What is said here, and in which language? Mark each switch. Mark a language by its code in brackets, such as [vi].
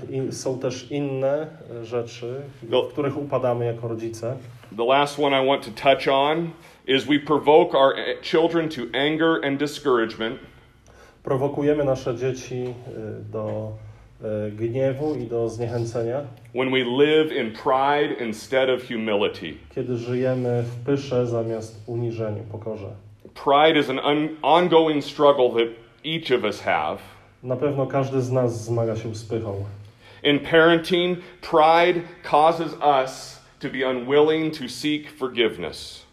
[pl] są też inne rzeczy, w których upadamy jako rodzice. [en] The last one I want to touch on is we provoke our children to anger and discouragement. [pl] prowokujemy nasze dzieci do gniewu i do zniechęcenia. [en] When we live in pride instead of humility. [pl] Kiedy żyjemy w pysze zamiast uniżeniu, pokorze. [en] Pride is an ongoing struggle that each of us have. [pl] Na pewno każdy z nas zmaga się z pychą. [en] In parenting, pride causes us to be unwilling to seek forgiveness.